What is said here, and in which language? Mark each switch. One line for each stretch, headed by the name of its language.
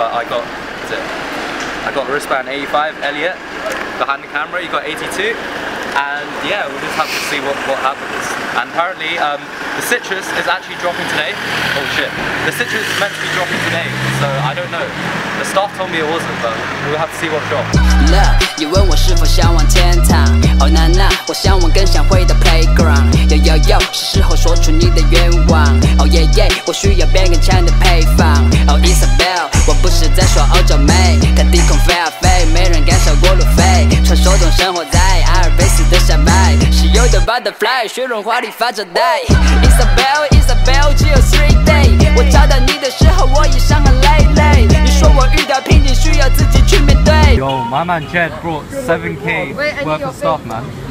English: But I got, a wristband 85, Elliot, behind the camera. You got 82. And yeah, we'll just have to see what happens. And apparently, the citrus is actually dropping today. Oh shit. The citrus is meant to be dropping today, so I don't know. The staff told me it wasn't, but we'll have to see what drops. Look, you
Chinese: 问我是否向往天堂?
English: Oh, nah, nah,
Chinese: 我向往更想回
English: the playground. Yo, yo, yo,
Chinese: 是时候说出你的愿望.
English: Oh, yeah, yeah,
Chinese: 我需要变更强的配方. Oh, Isabel, 我不是在说欧洲美.看低空飞啊飞, 没人敢笑过路飞. 传说中生活在 阿尔卑斯的山脉.是有的 butterfly, 雪绒花里发着呆.
English: Isabel, Isabel,
Chinese: 只有
English: three day.
Chinese: 我找到你的时候, 我已伤痕累累.你说我遇到瓶颈, 需要自己去面对.
English: Yo, my man Jed brought 7k worth of stuff, man.